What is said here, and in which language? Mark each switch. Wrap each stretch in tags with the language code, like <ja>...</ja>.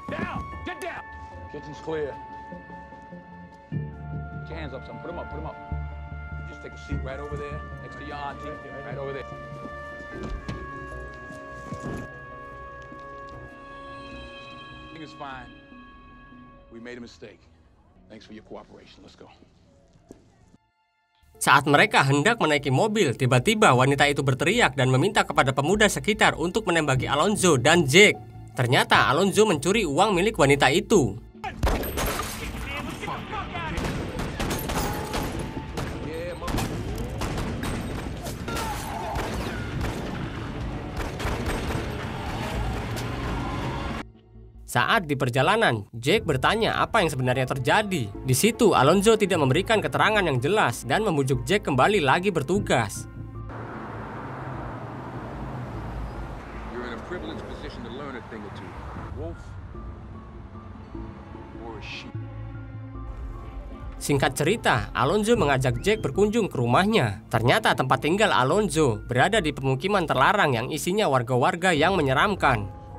<en>Down, get down. Kitchen's clear. Put your hands up, son. Put them up, put them up. Just take a seat right over there, next to your auntie, right over there. Everything is fine. We made a mistake. Thanks for your cooperation. Let's go.</en> <id>Saat mereka hendak menaiki mobil, tiba-tiba wanita itu berteriak dan meminta kepada pemuda sekitar untuk menembaki Alonzo dan Jake. Ternyata Alonzo mencuri uang milik wanita itu. Saat di perjalanan, Jake bertanya apa yang sebenarnya terjadi. Di situ, Alonzo tidak memberikan keterangan yang jelas dan membujuk Jake kembali lagi bertugas.</id> <en>You're in a privileged position to learn a thing or two. Wolf or a sheep.</en> <id>Singkat cerita, Alonzo mengajak Jake berkunjung ke rumahnya. Ternyata tempat tinggal Alonzo berada di pemukiman terlarang yang isinya warga-warga yang menyeramkan.</id>